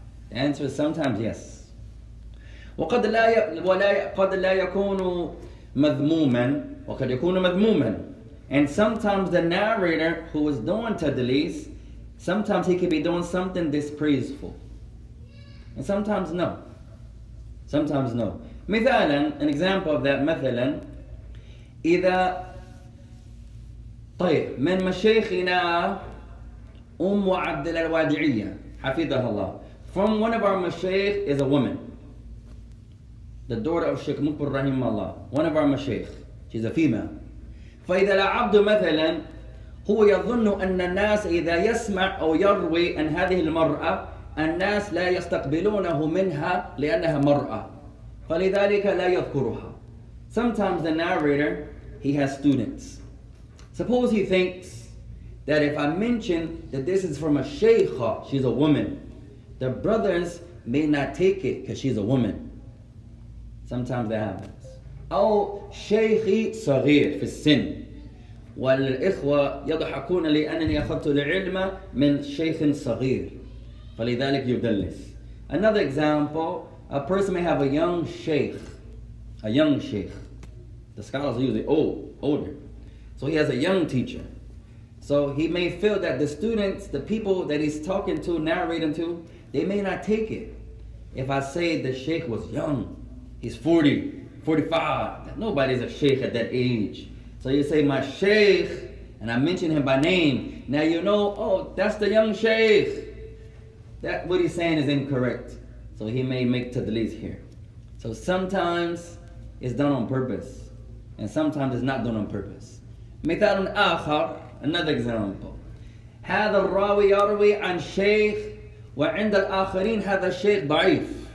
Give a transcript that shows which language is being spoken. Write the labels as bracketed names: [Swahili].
[English] The answer is sometimes yes. [Arabic] وقد لا يكون مذموما. وقد يكون مذموما. [English] And sometimes the narrator who is doing tadlis, sometimes he could be doing something dispraiseful. And sometimes no. Sometimes no. [Arabic] مثالاً, [English] an example of that, [Arabic] مثلاً, إذا طيب من مشيخنا أم عبد الوادعية حفظها الله. [English] From one of our مشيخ is a woman. The daughter of Sheikh Mukbil رحمه الله. One of our مشيخ. She's a female. [Arabic] فإذا العبد مثلا هو يظن أن الناس إذا يسمع أو يروي عن هذه المرأة الناس لا يستقبلونه منها لأنها مرأة فلذلك لا يذكرها. [English] Sometimes the narrator, he has students. Suppose he thinks that if I mention that this is from a sheikha, she's a woman, the brothers may not take it because she's a woman. Sometimes that happens. [Arabic] أو شيخي صغير في السن والإخوة يضحكون لأنني أخذت العلم من شيخ صغير فلذلك يدلس. [English] Another example, a person may have a young sheikh. The scholars are usually older. So he has a young teacher. So he may feel that the students, the people that he's talking to, narrating to, they may not take it. If I say the sheikh was young, he's 40, 45. Nobody's a sheikh at that age. So you say, my sheikh, and I mention him by name. Now you know, oh, that's the young sheikh. That what he's saying is incorrect. So he may make tadlis here. So sometimes it's done on purpose, and sometimes it's not done on purpose. [Arabic] مثال آخر, [English] another example. [Arabic] هذا الراوي يروي عن شيخ وعند الآخرين هذا الشيخ ضعيف.